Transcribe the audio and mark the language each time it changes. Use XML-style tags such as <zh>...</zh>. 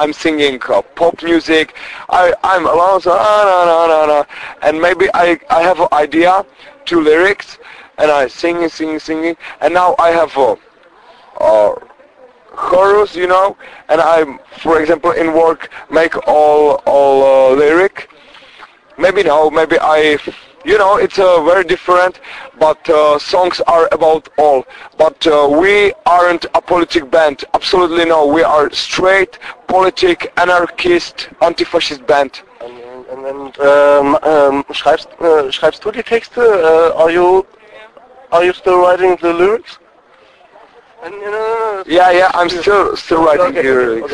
<en>I'm singing pop music. I'm alone, so and maybe I have an idea, two lyrics, and I singing, and now I have a chorus, you know, and I'm, for example, in work, make all lyric. Maybe no, maybe I. You know, it's very different, but songs are about all. But we aren't a politic band, absolutely no. We are straight, politic, anarchist, anti-fascist band.</en> <de>And schreibst du die Texte?</de> <en>Are you still writing the lyrics? I'm still writing the lyrics.</en>